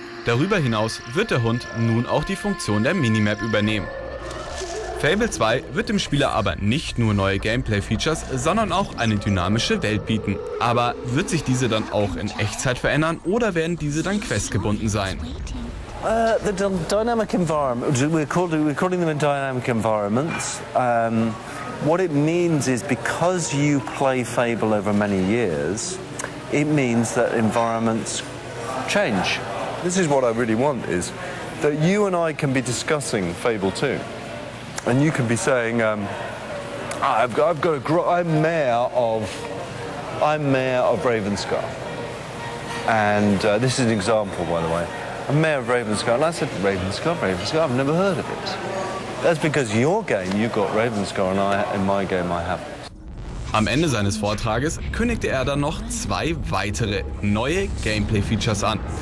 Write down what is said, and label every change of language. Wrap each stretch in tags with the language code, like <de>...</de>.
<de>Darüber hinaus wird der Hund nun auch die Funktion der Minimap übernehmen. Fable 2 wird dem Spieler aber nicht nur neue Gameplay-Features, sondern auch eine dynamische Welt bieten. Aber wird sich diese dann auch in Echtzeit verändern oder werden diese dann questgebunden sein?</de> <en>The dynamic environment, we're calling them dynamic environments. What it means is, because you play Fable over many years, it means that environments change. This is what I really want, is that you and I can be discussing Fable 2. And you could be saying, I'm mayor of Ravenscar. And this is an example, by the way. I'm mayor of Ravenscar. And I said, Ravenscar, I've never heard of it. That's because your game, you've got Ravenscar, and in my game, I haven't.</en> <de>Am Ende seines Vortrages kündigte er dann noch zwei weitere neue Gameplay-Features an.</de>